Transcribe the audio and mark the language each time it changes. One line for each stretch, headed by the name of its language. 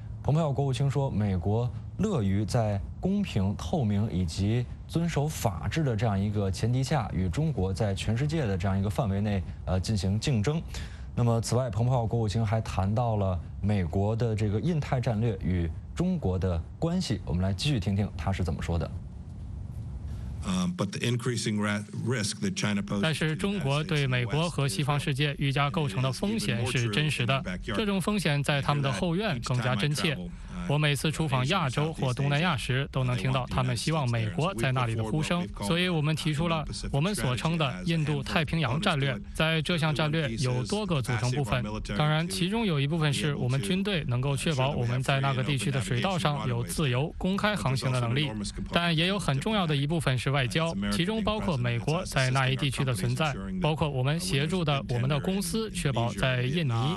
Chinese: 蓬佩奥国务卿说，美国乐于在公平、透明以及遵守法治的这样一个前提下，与中国在全世界的这样一个范围内进行竞争。那么，此外，蓬佩奥国务卿还谈到了美国的这个印太战略与中国的关系。我们来继续听听他是怎么说的。
English: But the increasing risk that China poses.
Chinese: 但是中国对美国和西方世界愈加构成的风险是真实的，这种风险在他们的后院更加真切。我每次出访亚洲或东南亚时，都能听到他们希望美国在那里的呼声。所以我们提出了我们所称的印度太平洋战略，在这项战略有多个组成部分，当然其中有一部分是我们军队能够确保我们在那个地区的水道上有自由公开航行的能力，但也有很重要的一部分是外交，其中包括美国在那一地区的存在，包括我们协助的我们的公司确保在印尼、